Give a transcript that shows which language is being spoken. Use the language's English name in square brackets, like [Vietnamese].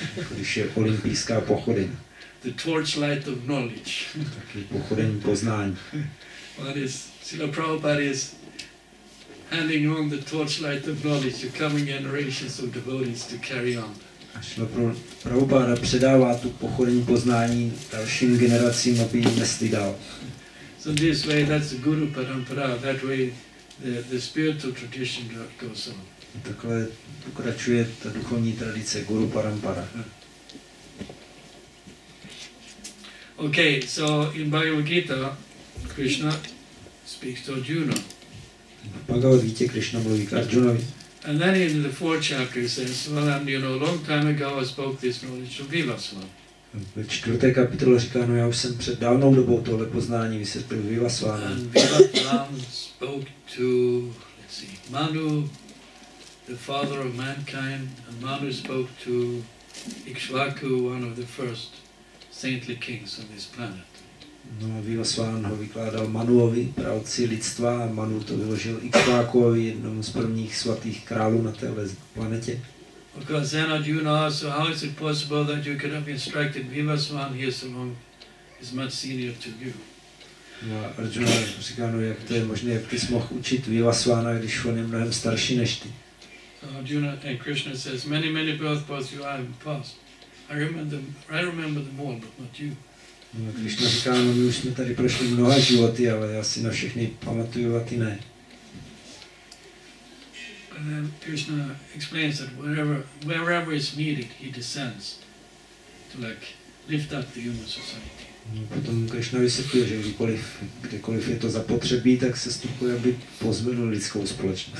[Czech] Když je olympijská pochodeň. [English] The torch light of knowledge. [Czech] Taky pochodeň poznání. [English] What is Srila Prabhupada is handing on the torch light of knowledge to coming generations of devotees to carry on. [Czech] A Srila Prabhupada předává tu pochodeň poznání dalším generacím, aby ji nesli dál. [English] So this way, that's the Guru Parampara. That way, the spiritual tradition goes on. [Czech] Takhle pokračuje ta duchovní tradice Guru Parampara. [English] Okay, so in Bhagavad Gita, Krishna speaks to Arjuna. [Czech] V Bhagavad Gita Krishna mluví k Arjunovi. [English] And then in the fourth chapter he says, well, and you know, a long time ago I spoke this knowledge to Vivasvam. [Czech] V čtvrté kapitole říká, no já už jsem před dávnou dobou tohle poznání vysvětlil Vivasvam. [English] And Vivasvam spoke to, let's see, Manu, the father of mankind, and Manu spoke to Ikshvaku, one of the first saintly kings on this planet. [Czech] No, Vivasvan ho vykládal Manuovi, pravci lidstva, a Manu to vyložil Ikshvakuovi, jednomu z prvních svatých králů na téhle planetě. [English] Because then Arjuna asked, so how is it possible that you could have instructed Vivasvan? He is among, is much senior to you. [Czech] No, Arjuna říká, no, jak to je možné, jak ty jsi mohl učit Vivasvana, když on je mnohem starší než ty. [English] Arjuna and Krishna says, many, many birth paths you have passed. I remember them all, but not you. [Czech] No, Krishna říká, no my už jsme tady prošli mnoha životy, ale já si na všechny pamatuju a ty ne. [English] And then Krishna explains that wherever is needed, he descends to like lift up the human society. [Czech] No, potom Krishna vysvětluje, že kdekoliv je to zapotřebí, tak se stupuje, aby pozvedl lidskou společnost.